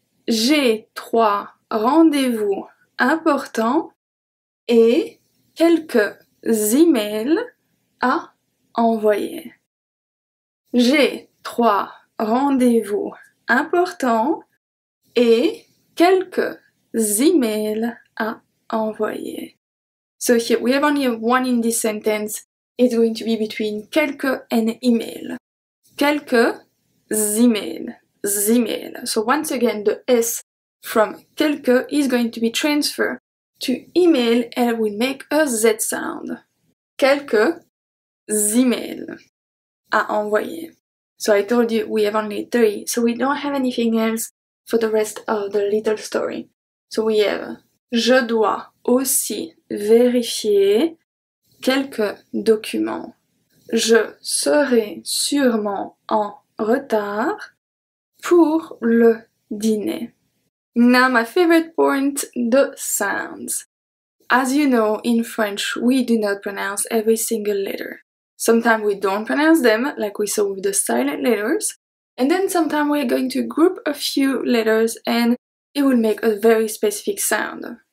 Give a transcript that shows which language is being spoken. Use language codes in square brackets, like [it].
[fr] J'ai trois rendez-vous importants et quelques emails à envoyer. J'ai trois rendez-vous importants et quelques emails à envoyer. [en] So here we have only one in this sentence. It's going to be between quelques and email. [fr] Quelques emails. [en] Email. So once again, the S from quelques is going to be transferred to email and will make a Z sound. [fr] Quelques emails à envoyer. [en] So I told you we have only three, so we don't have anything else for the rest of the little story. So we have [fr] je dois aussi vérifier quelques documents. Je serai sûrement en retard pour le dîner. [en] Now my favorite point, the sounds. As you know, in French, we do not pronounce every single letter. Sometimes we don't pronounce them, like we saw with the silent letters. And then sometimes we're going to group a few letters and it will make a very specific sound.